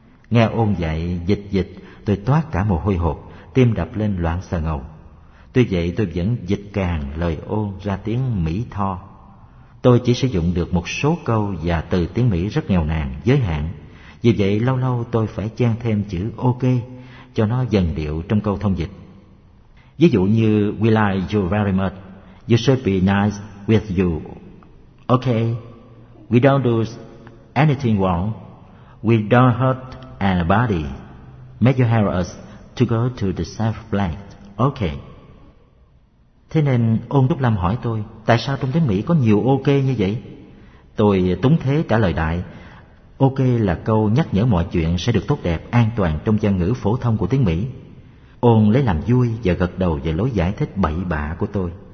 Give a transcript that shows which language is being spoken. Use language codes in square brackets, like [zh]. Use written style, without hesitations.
[vi] Nghe Ôn dạy dịch, tôi toát cả mồ hôi hột, tim đập lên loạn sờ ngầu. Tuy vậy tôi vẫn dịch càng lời Ôn ra tiếng Mỹ tho. Tôi chỉ sử dụng được một số câu và từ tiếng Mỹ rất nghèo nàn, giới hạn. Vì vậy lâu lâu tôi phải chen thêm chữ OK cho nó dần điệu trong câu thông dịch. Ví dụ như [en] "We like you very much. You should be nice with you. OK. We don't do anything wrong. We don't hurt anybody. Make you help us to go to the safe place. OK." [vi] Thế nên Ôn Đức Lâm hỏi tôi, tại sao trong tiếng Mỹ có nhiều OK như vậy? Tôi túng thế trả lời đại, OK là câu nhắc nhở mọi chuyện sẽ được tốt đẹp, an toàn trong văn ngữ phổ thông của tiếng Mỹ. Ôn lấy làm vui và gật đầu về lối giải thích bậy bạ của tôi.